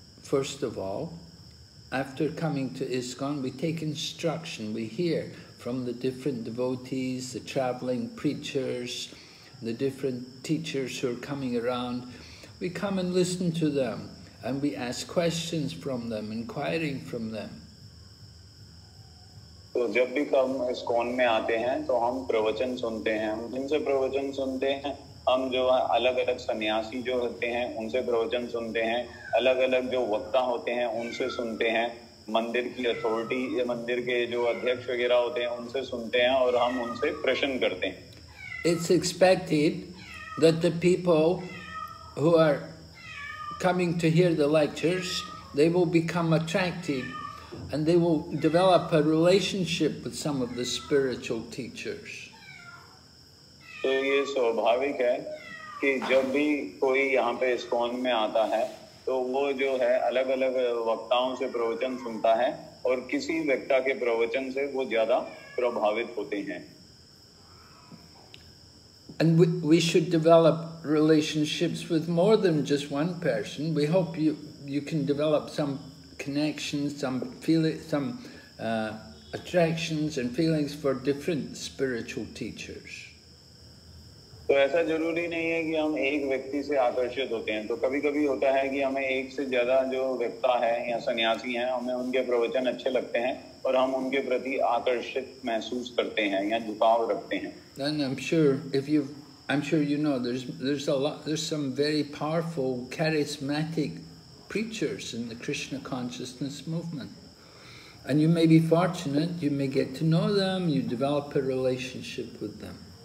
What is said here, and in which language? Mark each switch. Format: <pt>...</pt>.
<en>First of all, after coming to ISKCON, we take instruction, we hear from the different devotees, the traveling preachers, the different teachers who are coming around. We come and listen to them and we ask questions from them, inquiring from them.</en> <hi>तो जब भी हम ISKCON में आते हैं तो हम प्रवचन सुनते हैं, हम जिनसे प्रवचन सुनते हैं, हम जो अलग अलग सन्यासी जो होते हैं उनसे प्रवचन सुनते हैं, अलग अलग जो वक्ता होते हैं उनसे सुनते हैं, मंदिर की अथॉरिटी, मंदिर के जो अध्यक्ष वगैरह होते हैं उनसे सुनते हैं और हम उनसे प्रश्न करते हैं.</hi> <en>It's expected that the people who are coming to hear the lectures, they will become attracted and they will develop a relationship with some of the spiritual teachers.</en> <hi>तो ये स्वाभाविक है कि जब भी कोई यहाँ पे इस्कॉन में आता है तो वो जो है अलग अलग वक्ताओं से प्रवचन सुनता है और किसी वक्ता के प्रवचन से वो ज्यादा प्रभावित होते हैं.</hi> <en>And we should develop relationships with more than just one person. We hope you can develop some connections, some feeling, some attractions and feelings for different spiritual teachers.</en> <hi>तो ऐसा जरूरी नहीं है कि हम एक व्यक्ति से आकर्षित होते हैं. तो कभी-कभी होता है कि हमें एक से ज्यादा जो वक्ता है या सन्यासी हैं, हमें उनके प्रवचन अच्छे लगते हैं और हम उनके प्रति आकर्षित महसूस करते हैं या झुकाव रखते हैं.</hi> <en>Then I'm sure you know there's a lot, there's some very powerful charismatic preachers in the Krishna consciousness movement. And you may be fortunate, you may get to know them, you develop a relationship with them.</en>